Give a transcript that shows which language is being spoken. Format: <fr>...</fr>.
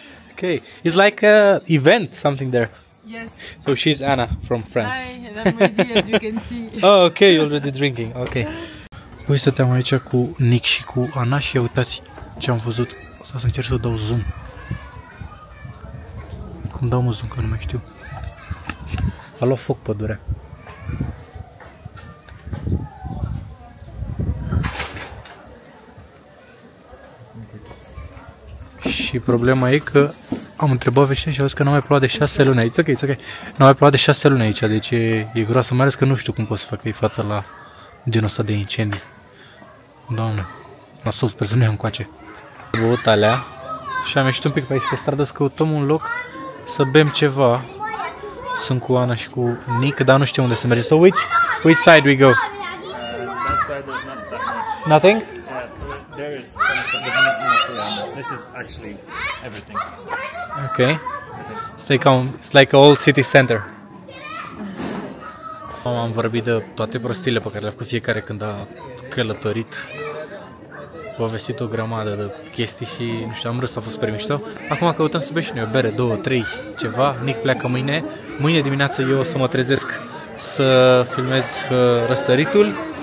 <en>Ok, it's like a event, something there. Yes. So she's Anna from France. Hi, and I'm ready, as you can see. Oh, ok, you're already drinking, ok.</en> <ro>Păi, stăteam aici cu Nick și cu Ana și uitați ce am văzut. O să încerc să dau zoom. Cum dau muzul, că nu mai știu. A luat foc pădurea. Și problema e că am întrebat veșnic și a zis că nu mai plouat de 6 luni.</ro> <en>It's ok, it's ok.</en> <ro>Nu mai plouat de 6 luni aici, deci e groasă. Mai ales că nu știu cum pot să fac ei față la genul ăsta de incendii. Doamne, nasol, sper să nu iau încoace. Am băut alea și am ieșit un pic pe aici pe stradă să căutăm un loc să bem ceva. Sunt cu Ana și cu Nick, dar nu știu unde să mergem.</ro> <en>So which side we go? That side is not that much. Nothing? There is some stuff, but not much around. This is actually everything. Okay. It's like an old city center.</en> <ro>Am vorbit de toate prostiile pe care le-a făcut fiecare când a călătorit. Povestit o grămadă de chestii și nu știu, am râs, a fost super mișto. Acum căutăm să bem și noi o bere, două, trei, ceva. Nick pleacă mâine. Mâine dimineață eu o să mă trezesc să filmez răsăritul.</ro>